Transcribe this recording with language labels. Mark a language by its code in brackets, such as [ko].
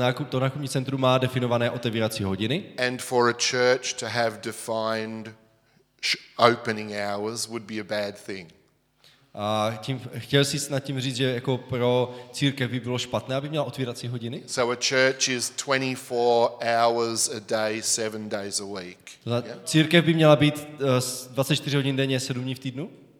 [cs] To nákupní centrum má definované otevírací hodiny. [en] And for a church to have defined opening hours would be a bad thing. [cs] Chtěl jsi nad tím říct, že jako pro církev by bylo špatné, aby měla otvírací hodiny? [en] So a church is 24 hours a day, 7 days a week. [cs] Církev by měla být 24 hodin denně, 7 dní v týdnu?